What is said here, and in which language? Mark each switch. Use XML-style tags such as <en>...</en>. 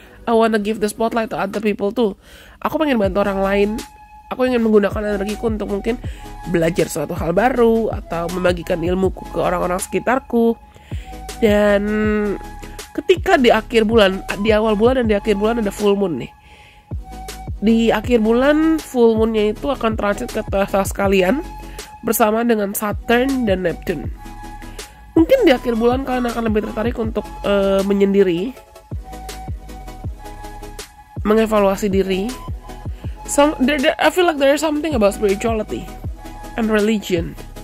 <en>I wanna give the spotlight to other people too.</en> <id>Aku pengen bantu orang lain. Aku ingin menggunakan energiku untuk mungkin belajar suatu hal baru atau membagikan ilmuku ke orang-orang sekitarku. Dan ketika di akhir bulan, di awal bulan dan di akhir bulan ada full moon nih. Di akhir bulan full moonnya itu akan transit ke tahta sekalian bersama dengan Saturn dan Neptune. Mungkin di akhir bulan kalian akan lebih tertarik untuk menyendiri, mengevaluasi diri.</id> <en>I feel like there is something about spirituality and religion.</en>